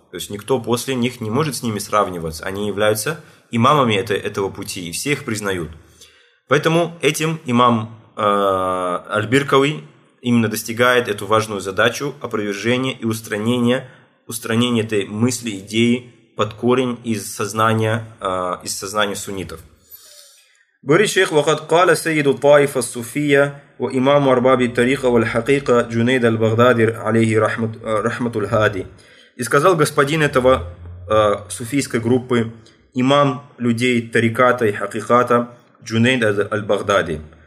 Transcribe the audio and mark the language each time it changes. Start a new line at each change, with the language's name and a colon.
Russian: То есть никто после них не может с ними сравниваться. Они являются имамами этого пути, и все их признают. Поэтому этим имам аль-Биркави именно достигает эту важную задачу опровержения и устранения этой мысли, идеи под корень из сознания суннитов. Говорит шейх,
Arabic: وقد قال سيد الطائفة الصوفية وإمام أرباب التاريخ والحقيقة جنيد البغدادي عليه رحمة الهادي.
Russian: И сказал господин этого суфийской группы, имам людей тариката и хакиката, Джунейд аль-Багдади.